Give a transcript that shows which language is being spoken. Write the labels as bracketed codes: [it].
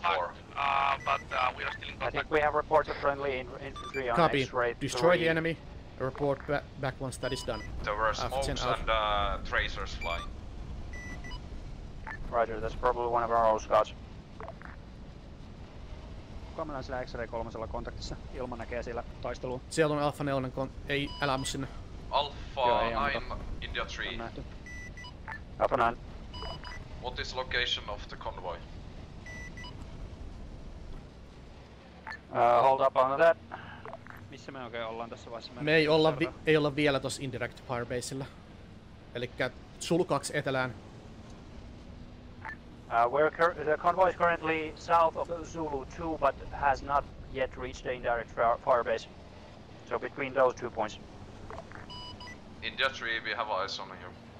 [en] they are 4. But we are still in contact. I think we have reports of friendly infantry on copy. X-ray 3. Destroy the enemy, report back once that is done. There were smokes 10, and tracers flying. Roger, that's probably one of our old scouts. [fi] Kuka mennään sillä X-ray 3 kontaktissa? Ilma näkee siellä taistelua. Siellä on Alpha 4, ei elämä sinne. [en] Alpha 9, India 3. Alpha 9. What is location of the convoy? Hold up on that. [fi] Missä me oikein ollaan tässä vaiheessa? Me ei olla, ei olla vielä tossa indirect firebaseilla. Elikkä sul kaks etelään. [en] The convoy is currently south of Zulu 2, but has not yet reached the indirect firebase. So between those two points. India 3, we have eyes on you.